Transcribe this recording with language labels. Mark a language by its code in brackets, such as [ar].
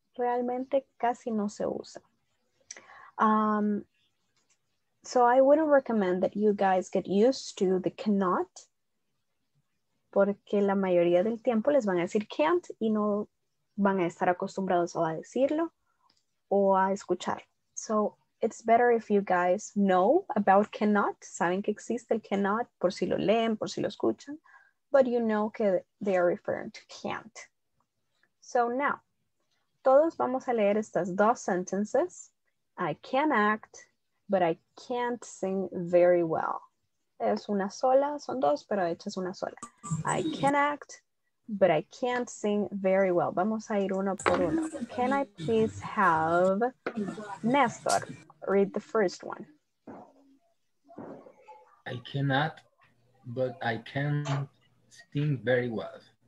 [es] Realmente casi no se usa. [en] So I wouldn't recommend that you guys get used to the cannot [es] porque la mayoría del tiempo les van a decir can't y no van a estar acostumbrados a decirlo o a escuchar. [en] So it's better if you guys know about cannot, [es] saben que existe el cannot por si lo leen, por si lo escuchan, [en] but you know que they are referring to can't. So now, [es] todos vamos a leer estas dos sentences. [en] I can act, but I can't sing very well. [es] Es una sola, son dos, pero de hecho es una sola. [en] I can act, but I can't sing very well. [es] Vamos a ir uno por uno. [en] Can I please have Néstor read the first one? I cannot, but I can sing very well.